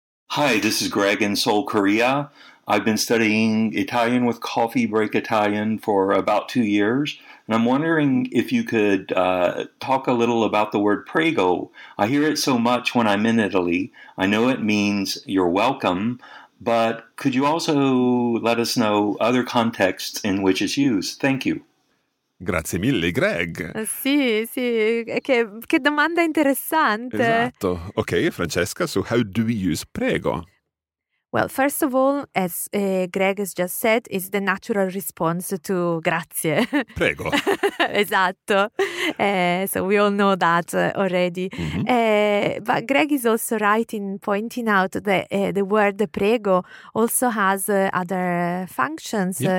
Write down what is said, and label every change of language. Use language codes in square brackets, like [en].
[en] Hi, this is Greg in Seoul, Korea. I've been studying Italian with Coffee Break Italian for about 2 years, and I'm wondering if you could talk a little about the word prego. I hear it so much when I'm in Italy. I know it means you're welcome, but could you also let us know other contexts in which it's used? Thank you. [it] Grazie mille, Greg. Sì, sì, che domanda interessante. [en] Esatto. Okay, Francesca, so how do we use prego? Well, first of all, as Greg has just said, it's the natural response to grazie. [it] Prego. Esatto. [en] So we all know that already. Mm-hmm. But Greg is also right in pointing out that the word prego also has other functions. Yeah.